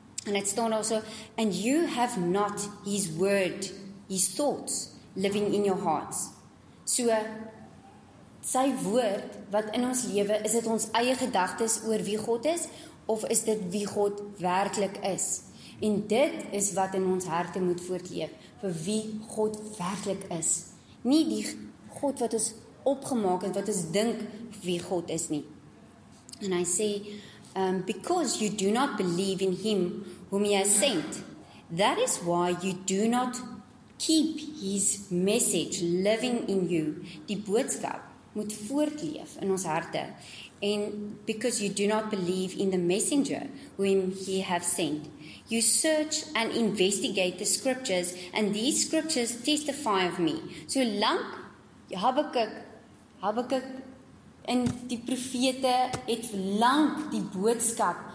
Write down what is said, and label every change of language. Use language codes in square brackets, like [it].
[af] En dit staan [en] also, and you have not his word, his thoughts, living in your hearts. [af] So, sy woord wat in ons lewe, is dit ons eie gedagtes oor wie God is, of is dit wie God werklik is? En dit is wat in ons harte moet voortleef, vir wie God werklik is. Nie die God wat ons opgemaak het, wat ons dink wie God is nie. En hy sê, [en] because you do not believe in him whom he has sent, that is why you do not keep his message living in you. [af] Die boodskap moet voortleef in ons harte. [en] And because you do not believe in the messenger whom he has sent, you search and investigate the scriptures, and these scriptures testify of me. [af] So lank Habakuk in die profete het lank die boodskap